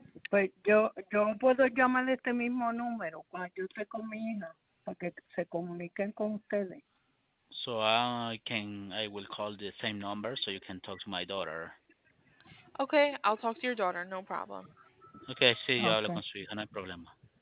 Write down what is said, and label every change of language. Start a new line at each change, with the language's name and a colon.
Spanish: Pues yo puedo llamar este mismo número cuando yo esté con mi hija para que se comuniquen con ustedes.
English: So I will call the same number so you can talk to my daughter. Okay, I'll talk to your daughter, no problem.
Spanish: Okay, sí, yo hablo con su hija, no hay problema.